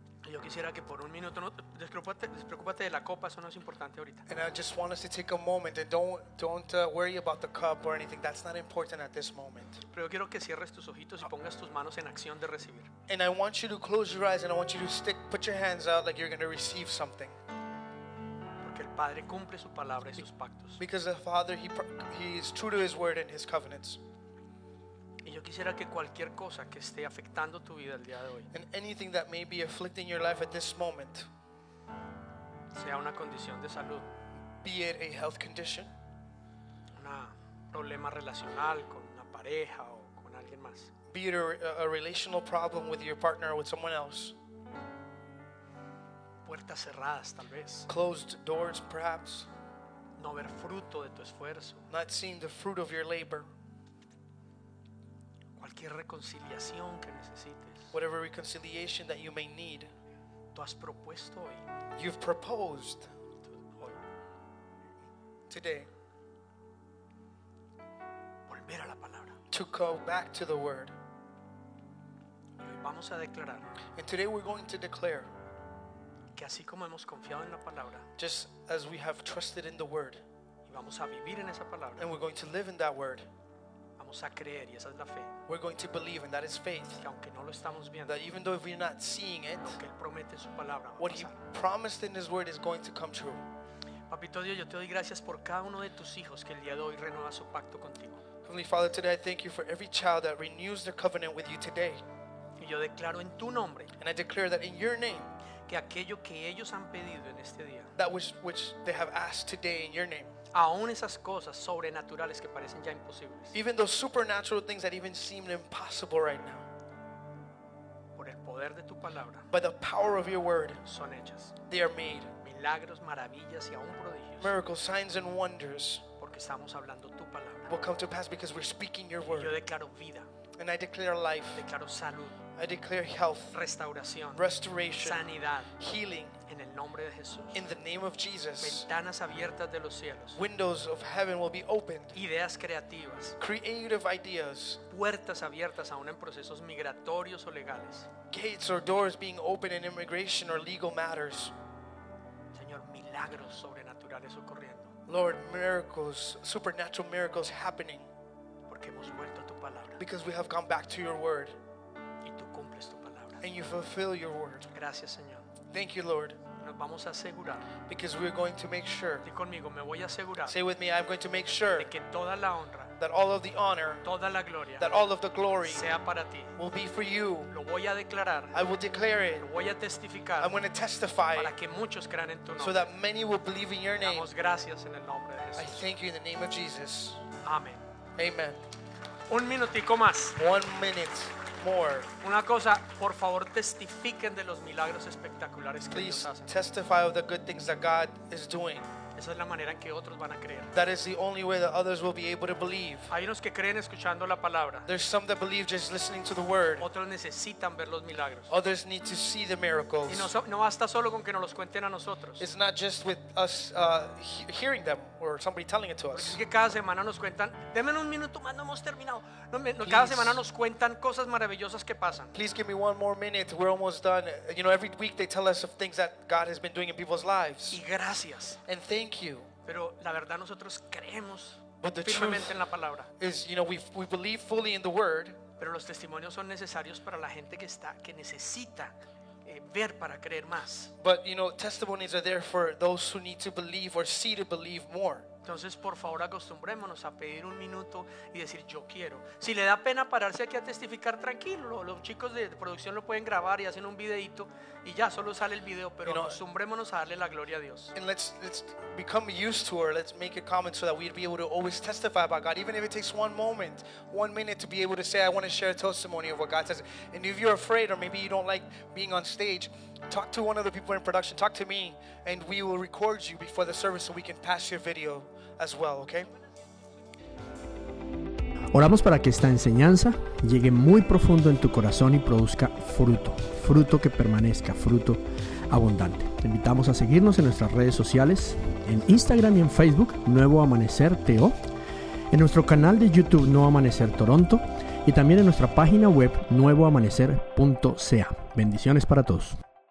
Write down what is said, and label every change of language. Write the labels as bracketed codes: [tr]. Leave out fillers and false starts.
[es] Yo quisiera que por un minuto no despreocúpate de la copa, eso no es importante ahorita. [en] And I just want us to take a moment and don't worry about the cup or anything. That's not important at this moment. [es] Pero yo quiero que cierres tus ojitos y pongas tus manos en acción de recibir. [en] And I want you to close your eyes and I want you to put your hands out like you're going to receive something. [es] Padre cumple su palabra y sus pactos. [en] Because the Father he is true to his word and his covenants. [es] Y yo quisiera que cualquier cosa que esté afectando tu vida el día de hoy. [en] And anything that may be afflicting your life at this moment. [es] Sea una condición de salud. [en] Be it a health condition. [es] Un problema relacional con una pareja o con alguien más. [en] Be it a relational problem with your partner or with someone else. [es] Puertas cerradas, tal vez. [en] Closed doors, perhaps. [es] No ver fruto de tu esfuerzo. [en] Not seeing the fruit of your labor. [es] Cualquier reconciliación que necesites. [en] Whatever reconciliation that you may need. [es] Tú has propuesto hoy. [en] You've proposed. [es] Hoy. [en] Today. [es] Volver a la palabra. [en] To go back to the word. [es] Y hoy vamos a declarar. [en] And today we're going to declare. [es] Que así como hemos confiado en la palabra, [en] just as we have trusted in the word, [es] y vamos a vivir en esa palabra, [en] and we're going to live in that word, [es] vamos a creer, y esa es la fe, [en] we're going to believe, and that is faith, [es] que aunque no lo estamos viendo, [en] that even though we're not seeing it, [es] aunque él promete en su palabra, [en] what he promised in his word is going to come true. [es] Papito Dios, yo te doy gracias por cada uno de tus hijos que el día de hoy renueva su pacto contigo. [en] Heavenly Father, today I thank you for every child that renews their covenant with you today. [es] Y yo declaro en tu nombre, [en] and I declare that in your name, [es] que aquello que ellos han pedido en este día, [en] that which they have asked today in your name, [es] aún esas cosas sobrenaturales que parecen ya imposibles, [en] even those supernatural things that even seem impossible right now, [es] por el poder de tu palabra, [en] by the power of your word, [es] son hechas, [en] they are made, [es] milagros, maravillas y aún prodigios, [en] miracles, signs and wonders, [es] porque estamos hablando tu palabra, [en] will come to pass because we're speaking your word. [es] Yo declaro vida, [en] And I declare life. [es] Declaro salud. [en] I declare health. [es] Restauración. [en] Restoration. [es] Sanidad. [en] Healing. [es] En el nombre de Jesús. [en] In the name of Jesus. [es] Ventanas abiertas de los cielos. [en] Windows of heaven will be opened. [es] Ideas creativas. [en] Creative ideas. [es] Puertas abiertas aún en procesos migratorios o legales. [en] Gates or doors being opened in immigration or legal matters. [es] Señor, milagros sobrenaturales ocurriendo. [en] Lord, miracles, supernatural miracles happening. [es] Porque hemos vuelto a tu palabra. [en] Because we have gone back to your word. [es] Y tú cumples tu palabra. [en] And you fulfill your word. [es] Gracias, Señor. [en] Thank you, Lord. [es] Nos vamos a asegurar. [en] Because we're going to make sure. [es] Di conmigo, me voy a asegurar. [en] Say with me, I'm going to make sure. [es] De que toda la honra. [en] That all of the honor. [es] Toda la gloria. [en] That all of the glory. [es] Sea para ti. [en] Will be for you. [es] Lo voy a declarar. [en] I will declare it. [es] Lo voy a testificar. [en] I'm going to testify. [es] Para que muchos crean en tu nombre. [en] So that many will believe in your name. [es] Damos gracias en el nombre de Jesús. [en] I thank you in the name of Jesus. Amen. Amen. [es] Un minutico más. [en] 1 minute. More. [es] Una cosa, por favor, testifiquen de los milagros espectaculares que Dios hace. [en] Please testify of the good things that God is doing. [es] Esa es la manera en que otros van a creer. [en] That is the only way that others will be able to believe. [es] Hay unos que creen escuchando la palabra. [en] There's some that believe just listening to the word. [es] Otros necesitan ver los milagros. [en] Others need to see the miracles. [es] Y no basta solo con que nos los cuenten a nosotros. [en] It's not just with us hearing them or somebody telling it to us. [es] Porque cada semana nos cuentan. Deme un minuto más, no hemos terminado. Cada semana nos cuentan cosas maravillosas que pasan. [en] Please give me one more minute. We're almost done. You know, every week they tell us of things that God has been doing in people's lives. [es] Y gracias. [en] And thank you. [es] Pero la verdad nosotros creemos firmemente en la palabra. [en] Is, you know, we believe fully in the word. [es] Pero los testimonios son necesarios para la gente que está que necesita ver para creer más. [en] But you know, testimonies are there for those who need to believe or see to believe more. [es] Entonces, por favor, acostumbrémonos a pedir un minuto y decir yo quiero. Si le da pena pararse aquí a testificar, tranquilo, los chicos de producción lo pueden grabar y hacen un videito y ya solo sale el video, pero [en] you know, [es] acostumbrémonos a darle la gloria a Dios. [en] And let's become used to, or let's make a comment so that we'd be able to always testify about God, even if it takes one moment, 1 minute, to be able to say I want to share a testimony of what God says. And if you're afraid, or maybe you don't like being on stage, talk to one of the people in production, talk to me, and we will record you before the service so we can pass your video as well, okay? [es] Oramos para que esta enseñanza llegue muy profundo en tu corazón y produzca fruto, fruto que permanezca, fruto abundante. Te invitamos a seguirnos en nuestras redes sociales, en Instagram y en Facebook, Nuevo Amanecer TO, en nuestro canal de YouTube, Nuevo Amanecer Toronto, y también en nuestra página web, nuevoamanecer.ca. Bendiciones para todos.